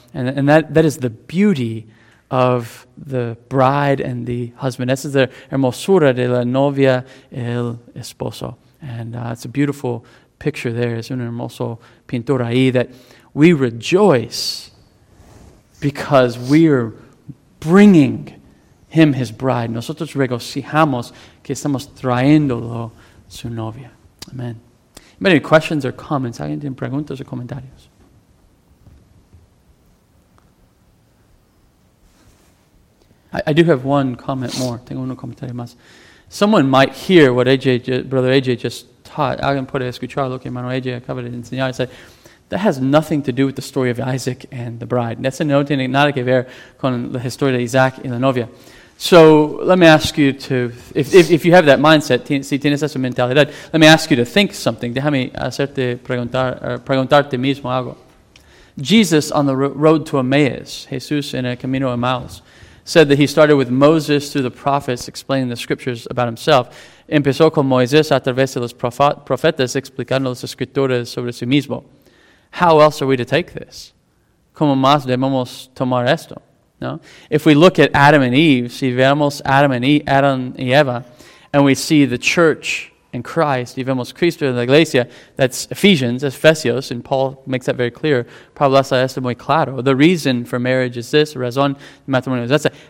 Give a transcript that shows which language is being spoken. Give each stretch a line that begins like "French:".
English: And that is the beauty of the bride and the husband.
Spanish: Esa es la hermosura de la novia y el esposo.
English: And it's a beautiful picture there.
Spanish: Es una hermosa pintura ahí
English: that we rejoice because we're bringing him his bride.
Spanish: Nosotros regocijamos que estamos trayéndolo su novia. Amen.
English: Any questions or comments?
Spanish: ¿Alguien tiene preguntas o comentarios?
English: I do have one comment more.
Spanish: Tengo uno comentario más.
English: Someone might hear what Brother AJ just taught.
Spanish: Alguien puede escuchar lo que hermano AJ acaba de enseñar.
English: He said, that has nothing to do with the story of Isaac and the bride.
Spanish: Eso no tiene nada que ver con la historia de Isaac y la novia.
English: So let me ask you to, if you have that mindset,
Spanish: si tienes esa mentalidad,
English: let me ask you to think something.
Spanish: Déjame hacerte preguntarte mismo algo.
English: Jesus on the road to Emmaus,
Spanish: Jesús en el camino a Emmaus,
English: said that he started with Moses through the prophets explaining the scriptures about himself.
Spanish: Empezó con Moisés a través de los profetas explicando las escrituras sobre sí mismo.
English: How else are we to take this?
Spanish: ¿Cómo más debemos tomar esto? No?
English: If we look at Adam and Eve,
Spanish: si vemos Adam y Eva,
English: and we see the church and Christ,
Spanish: y vemos Cristo en la iglesia,
English: that's Ephesians, Efesios, and Paul makes that very clear.
Spanish: Pablo hace esto muy claro.
English: The reason for marriage is this,
Spanish: razón de matrimonio es esta.